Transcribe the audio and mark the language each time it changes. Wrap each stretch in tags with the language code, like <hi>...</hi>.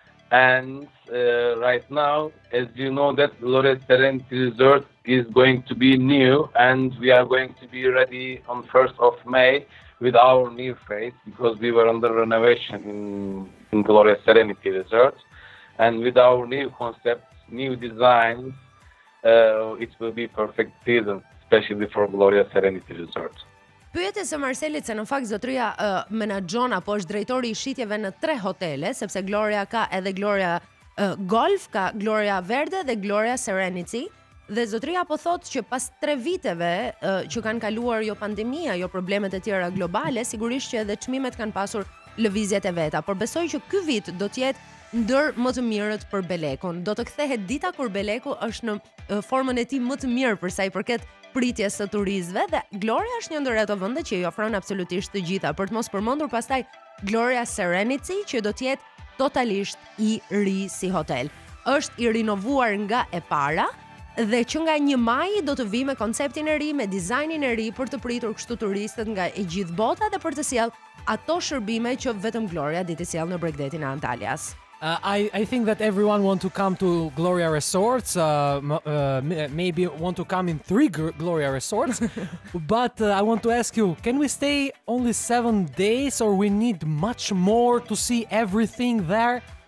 <en>And right now, as you know, that Gloria Serenity Resort is going to be new and we are going to be ready on 1st of May with our new face because we were under renovation in Gloria Serenity Resort. And with our new concept, new designs, it will be perfect season, especially for Gloria Serenity Resort.</en> <sq>Pyetjes së Marselit se në fakt zotria menaxhon apo është drejtori I shitjeve në tre hotele, sepse Gloria ka edhe Gloria Golf, ka Gloria Verde dhe Gloria Serenity. Dhe zotria po thotë që pas tre viteve që kanë kaluar jo pandemia, jo problemet e tjera globale, sigurisht që edhe çmimet kanë pasur lëvizjet e veta. Por besoj që ky vit do të jetë ndër më të mirët për Belekun. Do të kthehet dita kur Beleku është në formën e tij më të mirë për sa I përket pritjes së turistëve dhe Gloria është një ndër ato vende që I ofron absolutisht të gjitha, për të mos përmendur pastaj Gloria Serenity që do të jetë totalisht I ri si hotel. Është I rinovuar nga e para dhe që nga 1 maji do të vijë me konceptin e ri, me dizajnin e ri për të pritur kështu turistët nga e gjithë bota dhe për të sjell ato shërbime që vetëm Gloria di të sjell në bregdetin e Antalyas.</sq> <en>I think that everyone want to come to Gloria Resorts, maybe want to come in three Gloria Resorts, but I want to ask you, can we stay only 7 days or we need much more to see everything there?</en>